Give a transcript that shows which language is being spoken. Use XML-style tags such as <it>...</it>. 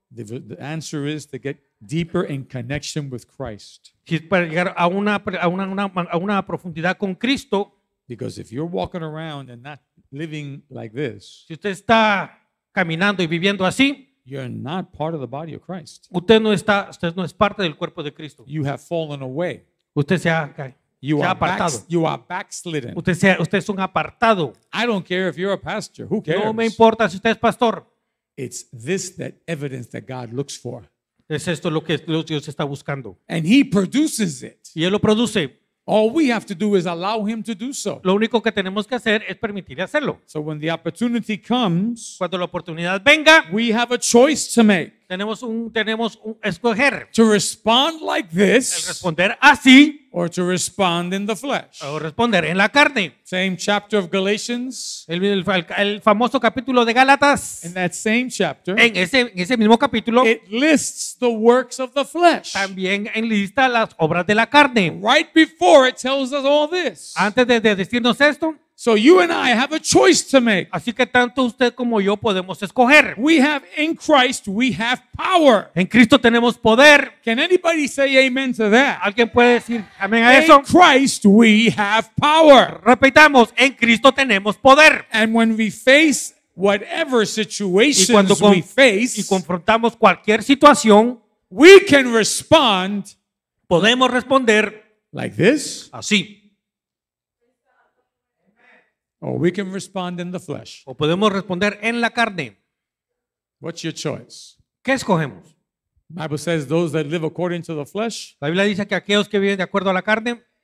<en>The answer is to get deeper in connection with Christ.</en> <es>Para llegar a una profundidad con Cristo.</es> <en>Because if you're walking around and not living like this.</en> <es>Si usted está caminando y viviendo así.</es> <en>You're not part of the body of Christ.</en> <es>Usted no es parte del cuerpo de Cristo.</es> <en>You have fallen away.</en> <es>Usted se ha caído.</es> <en>You are apartado. You are backslidden.</en> <es>Usted es un apartado.</es> <en>I don't care if you're a pastor. Who cares?</en> <es>No me importa si usted es pastor.</es> <en>It's this that evidence that God looks for.</en> <es>Es esto lo que Dios está buscando.</es> <en>And He produces it.</en> <es>Y él lo produce.</es> <en>All we have to do is allow Him to do so.</en> <es>Lo único que tenemos que hacer es permitirle hacerlo.</es> <en>So when the opportunity comes,</en> <es>cuando la oportunidad venga,</es> <en>we have a choice to make.</en> <es>Tenemos un escoger.</es> <en>To respond like this,</en> <es>el responder así,</es> <en>or to respond in the flesh.</en> <es>O responder en la carne.</es> <en>Same chapter of Galatians.</en> <es>El famoso capítulo de Gálatas.</es> <en>In that same chapter.</en> <es>En ese mismo capítulo.</es> <en>It lists the works of the flesh.</en> <es>También enlista las obras de la carne.</es> <en>Right before it tells us all this.</en> <es>Antes de decirnos esto.</es> <en>So you and I have a choice to make.</en> <es>Así que tanto usted como yo podemos escoger.</es> <en>We have in Christ, we have power.</en> <es>En Cristo tenemos poder.</es> <en>Can anybody say amen to that?</en> <es>¿Alguien puede decir amén a</es> <en>in</en> <es>eso?</es> <en>In Christ, we have power.</en> <es>Repitamos, en Cristo tenemos poder.</es> <en>And when we face whatever situations we face,</en> <es>y confrontamos cualquier situación,</es> <en>we can respond.</en> <es>Podemos responder</es> <en>like this.</en> <es>Así.</es> <en>Or we can respond in the flesh.</en> <es>O podemos responder en la carne.</es> <en>What's your choice?</en> <es>¿Qué escogemos?</es> <en>Bible says those that live according to the flesh.</en> <es>La Biblia dice que aquellos que viven de acuerdo a la carne.</es>